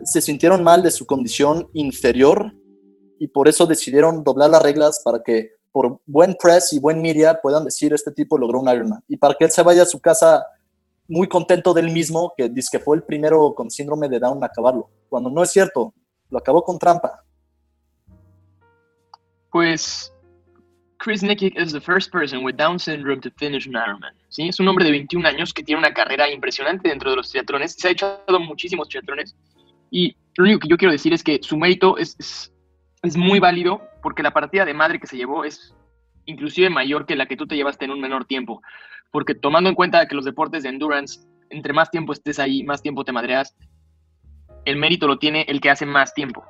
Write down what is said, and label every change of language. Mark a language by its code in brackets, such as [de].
[es] se sintieron mal de su condición inferior y por eso decidieron doblar las reglas para que por buen press y buen media puedan decir este tipo logró un Ironman. Y para que él se vaya a su casa muy contento del mismo, que dice que fue el primero con síndrome de Down a acabarlo. Cuando no es cierto, lo acabó con trampa. [en] Pues, Chris Nikic is the first person with Down syndrome to finish an Ironman. [es] ¿Sí? Es un hombre de 21 años que tiene una carrera impresionante dentro de los triatlones. Se ha echado muchísimos triatlones. Y lo único que yo quiero decir es que su mérito es muy válido, porque la partida de madre que se llevó es inclusive mayor que la que tú te llevaste en un menor tiempo. Porque tomando en cuenta que los deportes de endurance, entre más tiempo estés ahí, más tiempo te madreas, el mérito lo tiene el que hace más tiempo.